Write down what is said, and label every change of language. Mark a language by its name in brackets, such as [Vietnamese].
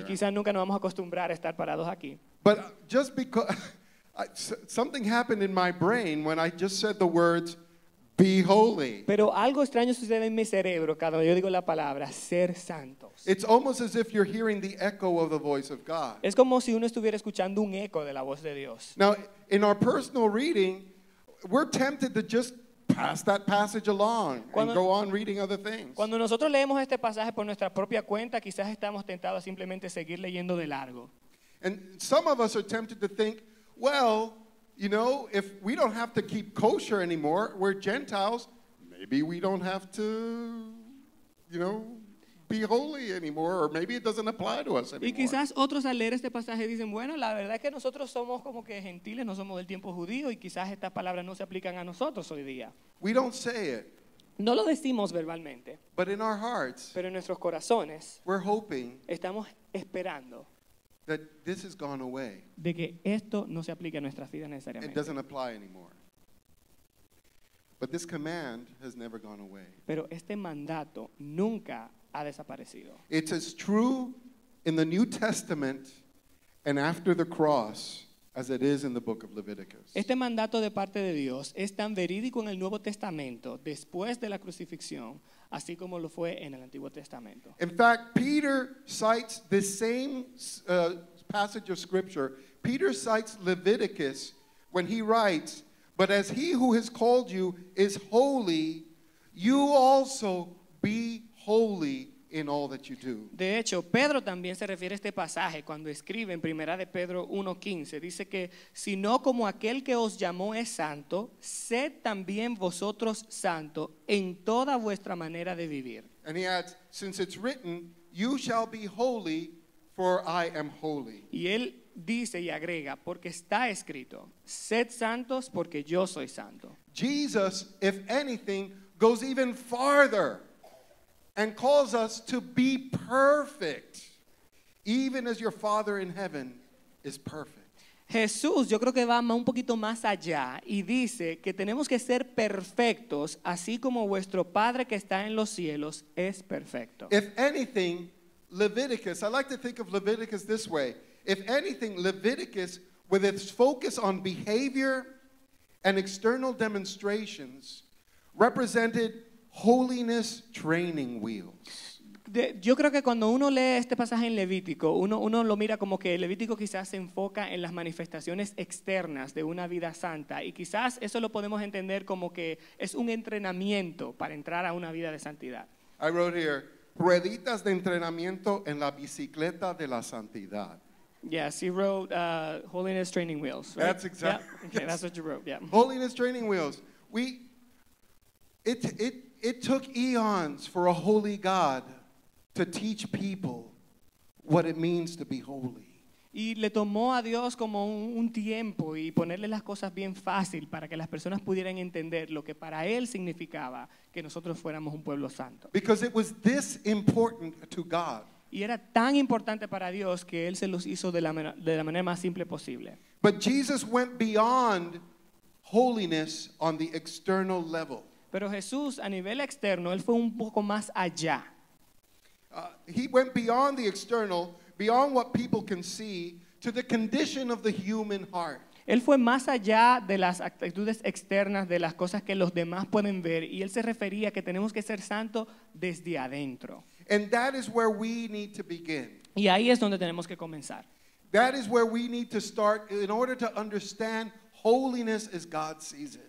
[Spanish] Y quizás nunca nos vamos a acostumbrar a estar parados aquí. [English] But just because something happened in my brain when I just said the words be holy. [Spanish] Pero algo extraño sucede en mi cerebro cuando yo digo la palabra ser santos. [English] It's almost as if you're hearing the echo of the voice of God. [Spanish] Es como si uno estuviera escuchando un eco de la voz de Dios. [English] Now, in our personal reading, we're tempted to just pass that passage along and go on reading other things. [Spanish] Cuando nosotros leemos este pasaje por nuestra propia cuenta, quizás estamos tentados a simplemente seguir leyendo de largo. [English] And some of us are tempted to think, well, you know, if we don't have to keep kosher anymore, we're Gentiles, maybe we don't have to, you know, be holy anymore, or maybe it doesn't apply to us anymore. [Spanish] Y quizás otros al leer este pasaje dicen, bueno, la verdad es que nosotros somos como que gentiles, no somos del tiempo judío, y quizás estas palabras no se aplican a nosotros hoy día. [English] We don't say it. [Spanish] No lo decimos verbalmente. [English] But in our hearts, [Spanish] pero en nuestros corazones, [English] we're hoping, [Spanish] estamos esperando, [English] that this has gone away. [Spanish] De que esto no se aplique a nuestras vidas necesariamente. [English] It doesn't apply anymore. But this command has never gone away. [Spanish] Pero este mandato nunca ha desaparecido. [English] It's as true in the New Testament and after the cross as it is in the book of Leviticus. [Spanish] Este mandato de parte de Dios es tan verídico en el Nuevo Testamento después de la crucifixión, así como lo fue en el Antiguo Testamento. [English] In fact, Peter cites the same passage of scripture. Peter cites Leviticus when he writes, "But as he who has called you is holy, you also be holy in all that you do." [Spanish] De hecho, Pedro también se refiere a este pasaje cuando escribe en Primera de Pedro 1:15. Dice que, sino como aquel que os llamó es santo, sed también vosotros santo en toda vuestra manera de vivir. [English] And he adds, since it's written, you shall be holy, for I am holy. [Spanish] Y él dice y agrega, porque está escrito, sed santos porque yo soy santo. [English] Jesus, if anything, goes even farther and calls us to be perfect, even as your Father in heaven is perfect. [Spanish] Jesús, yo creo que va un poquito más allá y dice que tenemos que ser perfectos, así como vuestro Padre que está en los cielos es perfecto. [English] If anything, Leviticus, I like to think of Leviticus this way. If anything, Leviticus, with its focus on behavior and external demonstrations, represented holiness training wheels. [Spanish] Yo creo que cuando uno lee este pasaje en Levítico, uno lo mira como que Levítico quizás se enfoca en las manifestaciones externas de una vida santa, y quizás eso lo podemos entender como que es un entrenamiento para entrar a una vida de santidad. [English] I wrote here, [Spanish] rueditas de entrenamiento en la bicicleta de la santidad. [English] Yes, he wrote holiness training wheels, right? That's exactly. Yeah. Okay, yes. That's what you wrote, yeah. Holiness training wheels. It took eons for a holy God to teach people what it means to be holy. [Spanish] Y le tomó a Dios como un tiempo y ponerle las cosas bien fácil para que las personas pudieran entender lo que para él significaba que nosotros fuéramos un pueblo santo. [English] Because it was this important to God. [Spanish] Y era tan importante para Dios que él se los hizo de la manera más simple posible. [English] But Jesus went beyond holiness on the external level. [Spanish] Pero Jesús, a nivel externo, él fue un poco más allá. [English] He went beyond the external beyond what people can see to the condition of the human heart. [Spanish] Él fue más allá de las actitudes externas, de las cosas que los demás pueden ver, y él se refería a que tenemos que ser santos desde adentro. [English] And that is where we need to begin. [Spanish] Y ahí es donde tenemos que comenzar. [English] That is where we need to start in order to understand holiness as God sees it.